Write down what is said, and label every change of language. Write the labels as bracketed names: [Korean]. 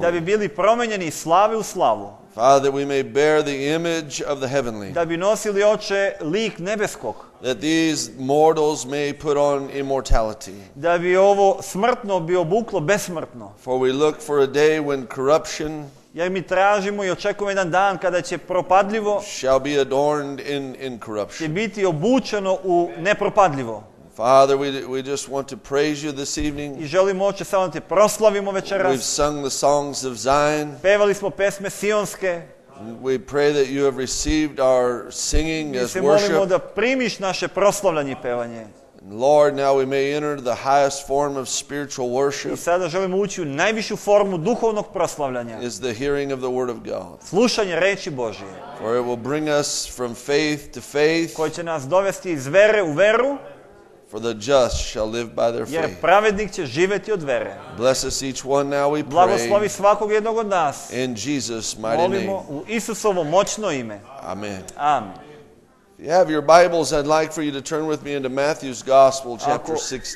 [Serbian] da bi bili promenjeni iz slave u slavu. [English] Father, that we may bear the image of the heavenly. [Serbian] Da bi nosili oče lik nebeskog. [English] That these mortals may put on immortality. [Serbian] Da bi ovo smrtno bi obuklo besmrtno. [English] For we look for a day when corruption, [Serbian] jer mi tražimo I očekujemo jedan dan kada će propadljivo, [English] shall be adorned in incorruption. [Serbian] Će biti obučeno u nepropadljivo. [English] Father, we just want to praise you this evening. [Serbian] I želimo oče samo te proslavimo večeras. [English] We've sung the songs of Zion. [Serbian] Pevali smo pesme sionske. [English] We pray that you have received our singing as worship. [Serbian] Mi se molimo da primiš naše proslavljanje I pevanje. [English] Lord, now we may enter the highest form of spiritual worship. [Serbian] I sada želimo ući u najvišu formu duhovnog proslavljanja. [English] Is the hearing of the word of God. [Serbian] Slušanje reči Božije. [English] For it will bring us from faith to faith. [Serbian] Koje će nas dovesti iz vere u veru. [English] For the just shall live by their faith. [Serbian] Jer pravednik će živeti od vere. [English] Bless us each one now we pray. [Serbian] Blagoslovi svakog jednog od nas. [English] In Jesus' mighty name. [Serbian] Molimo u Isusovo moćno ime. Amen. Amen. [English] If you have your Bibles, I'd like for you to turn with me into Matthew's Gospel, chapter 16.